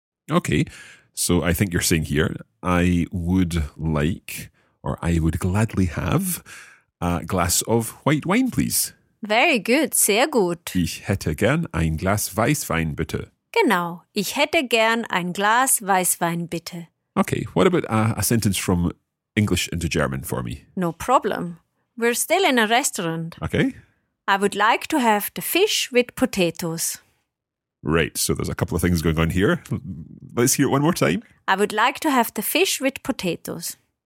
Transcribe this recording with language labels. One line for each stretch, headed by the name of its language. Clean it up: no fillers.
English: Okay, so I think you're saying here, I would like, or I would gladly have, a glass of white wine, please. Very good,
German: sehr gut. Ich hätte gern ein Glas Weißwein, bitte. Genau, ich hätte gern ein Glas Weißwein, bitte.
English: Okay, what about a sentence from English into German for me? No problem. We're still in a restaurant. Okay. I would like to have the fish with potatoes. Right, so there's a couple of things going on here. Let's hear it one more time. I would like to have the fish with potatoes.